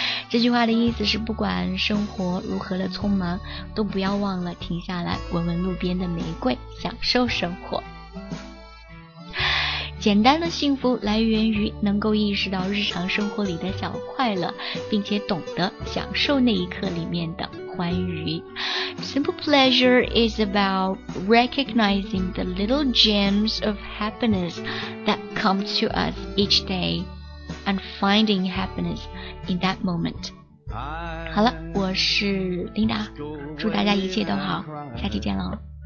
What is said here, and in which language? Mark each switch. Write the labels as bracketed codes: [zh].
[zh] 这句话的意思是，不管生活如何的匆忙，都不要忘了停下来闻闻路边的玫瑰，享受生活。简单的幸福来源于能够意识到日常生活里的小快乐，并且懂得享受那一刻里面的欢愉。 [en] Simple pleasure is about recognizing the little gems of happiness that come to us each day and finding happiness in that moment. [zh] 好了，我是琳达，祝大家一切都好，下期见喽。